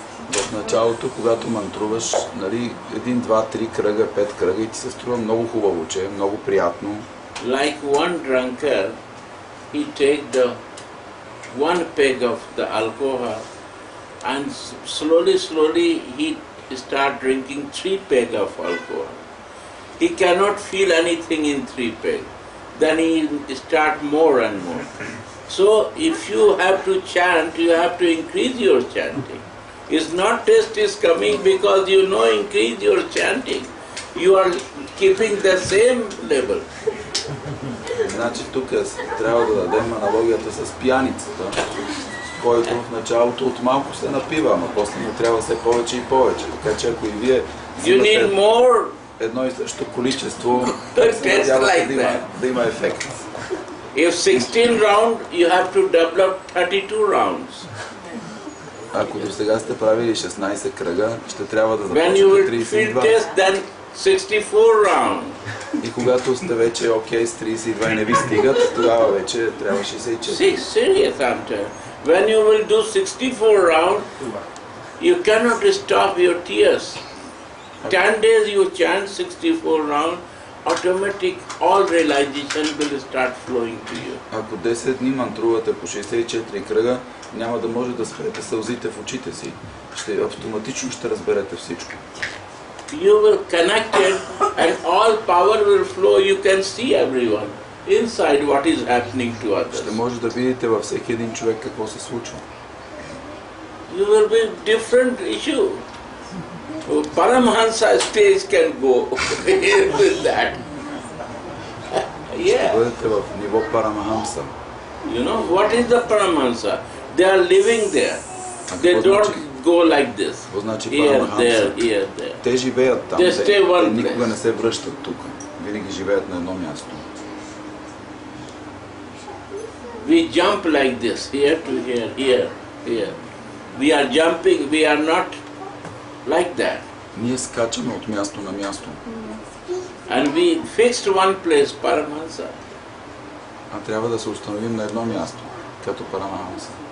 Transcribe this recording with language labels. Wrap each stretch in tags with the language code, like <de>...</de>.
<bg>В началото, когато мантруваш, нали, 1, 2, 3 кръга, 5 кръга, и ти се струва много хубаво, че е много приятно.</bg> <en>Like one drunkard, he take the one peg of the alcohol and slowly he start drinking 3 peg of alcohol. He cannot feel anything in 3 peg. Then he start more and more. So if you have to chant, you have to increase your chanting. It's not taste is coming because you know increase your chanting. You are keeping the same level.</en> <bg>Значи тук трябва да дадем аналогията с пияницата, който в началото от малко се напива, но после му трябва все повече и повече. Така че ако и вие имате едно и също количество, се надява да има ефект.</bg> <en>If 16 round, you have to develop 32 rounds.</en> <bg>Ако до сега сте правили 16 кръга, ще трябва да започнете 32.</bg> <en>When you feel then 64 rounds.</en> <bg>И когато сте вече окей с 32 и не ви стигат, тогава вече трябва 64.</bg> <en>See, serious answer. When you will do 64 rounds, you cannot stop your tears. 10 days you chant 64 rounds, automatic all realization will start flowing to you.</en> <bg>Ако 10 дни мантрувате по 64 кръга, няма да може да спрете сълзите в очите си. Ще автоматично ще разберете всичко.</bg> <en>You will connect it and all power will flow. You can see everyone inside what is happening to others.</en> <bg>Ще може да видите във всеки един човек какво се случва.</bg> <en>You will be different issue. Paramahansa stage can go with that. Yeah.</en> <bg>Ще бъдете в ниво Парамахамса.</bg> <en>You know, what is the Paramahansa? They are living there. They don't go like this.</en> <bg>Какво значи Парамахамса? Те живеят там.</bg> <en>They stay one place.</en> <bg>Никога не се връщат тук. Винаги живеят на едно място.</bg> <en>We jump like this, here to here. We are jumping, we are not like that.</en> <bg>Ние скачаме от място на място.</bg> <en>And we fixed one place, Paramahansa.</en> <bg>А трябва да се установим на едно място, като Парамахамса.</bg>